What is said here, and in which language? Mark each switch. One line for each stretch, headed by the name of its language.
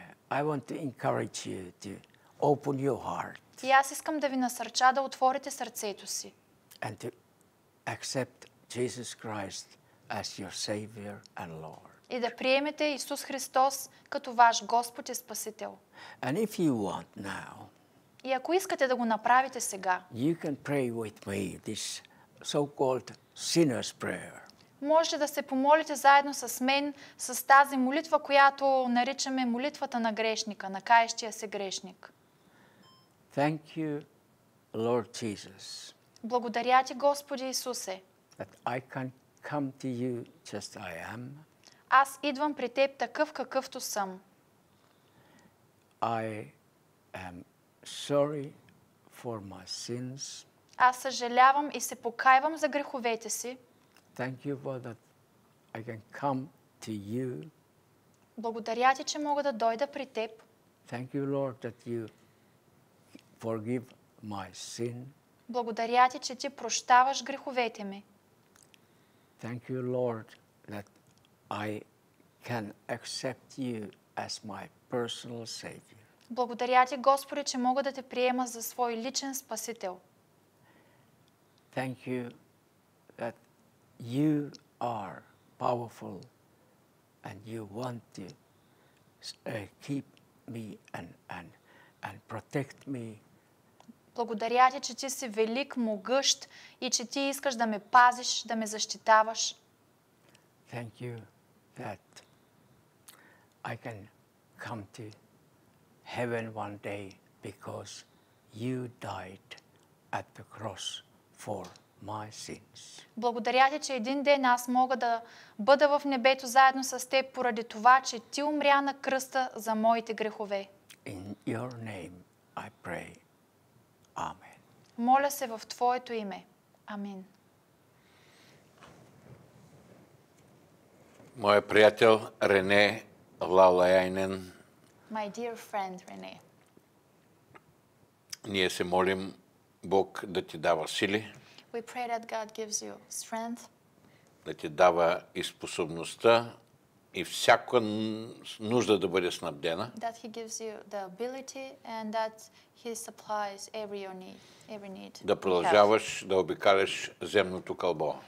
English: I want to encourage you to open your heart.
Bulgarian: И аз искам да ви насърча да отворите сърцето си.
English: And to accept Jesus Christ as your Savior and Lord.
Bulgarian: И да приемете Исус Христос като ваш Господ и Спасител.
English: And if you want now,
Bulgarian: и ако искате да го направите сега,
English: you can pray with me this so-called sinner's prayer.
Bulgarian: Може да се помолите заедно с мен с тази молитва, която наричаме молитвата на грешника, на каещия се грешник.
English: Thank you, Lord Jesus.
Bulgarian: Благодаря ти, Господи Исусе.
English: That I can come to you just I am.
Bulgarian: Аз идвам при теб такъв какъвто съм.
English: I am sorry for my sins.
Bulgarian: Аз съжалявам и се покаявам за греховете си.
English: Thank you for that I can come to you.
Bulgarian: Благодаря ти, че мога да дойда при теб.
English: Thank you, Lord, that you forgive my sin.
Bulgarian: Благодаря ти, че ти прощаваш греховете ми.
English: Thank you, Lord, that I can accept you as my personal savior.
Bulgarian: Благодаря ти, Господи, че мога да те приема за свой личен спасител.
English: Thank you that you are powerful and you want to keep me and protect me.
Bulgarian: Благодаря ти, че ти си велик, могъщ и че ти искаш да ме пазиш, да ме защитаваш.
English: Thank you that I can come to heaven one day because you died at the cross for my sins.
Bulgarian: Благодаря ти, че един ден аз мога да бъда в небето заедно с теб поради това, че ти умря на кръста за моите грехове.
English: In your name I pray. Amen.
Bulgarian: Моля се в твоето име. Амин. Моя приятел Рене Лалайнен.
English: My dear friend Rene.
Bulgarian: Ние се молим Бог да ти дава сили.
English: We pray that God gives you strength.
Bulgarian: Да ти дава и способността и всяка нужда да бъде снабдена.
English: That he gives you the ability and that he supplies every your need, every need.
Bulgarian: Да продължаваш да обикаляш земното кълбо.